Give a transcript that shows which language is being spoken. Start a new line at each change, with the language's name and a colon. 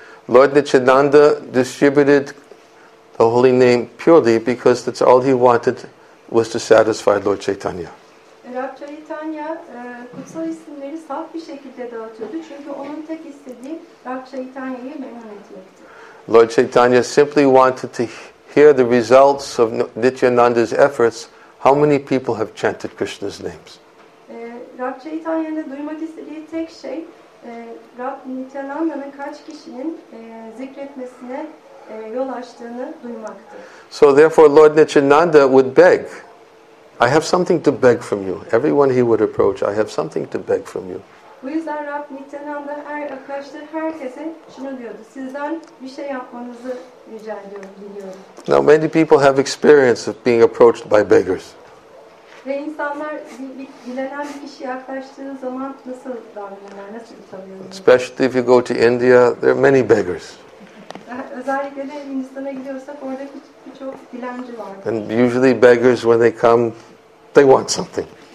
English: Lord Nityananda distributed the holy name purely because that's all he wanted was to satisfy Lord Chaitanya.
Turkish: Rab Chaitanya kutsal isimleri saf bir şekilde dağıtıyordu çünkü onun tek istediği Rab Chaitanya'yı memnun etmekti.
English: Lord Chaitanya simply wanted to hear the results of Nityananda's efforts. How many people have chanted Krishna's names?
Turkish: Rab Chaitanya'nın duymak istediği tek şey Rab Nityananda'nın kaç kişinin zikretmesine yol açtığını duymaktı.
English: So therefore Lord Nityananda would beg, I have something to beg from you. Everyone he would approach, I have something to beg from you.
Turkish: Bu yüzden Rab Nityananda her arkadaşları herkese şunu diyordu. Sizden bir şey yapmanızı rica ediyorum, diliyorum.
English: Now many people have experience of being approached by beggars.
Turkish: Ve insanlar dilenen bir kişiye yaklaştığı zaman nasıl davranırlar, nasıl utanıyorlar?
English: Especially if you go to India, there are many beggars.
Turkish: Özellikle de Hindistan'a gidiyorsak orada birçok dilenci vardır.
English: And usually beggars when they come, they want something.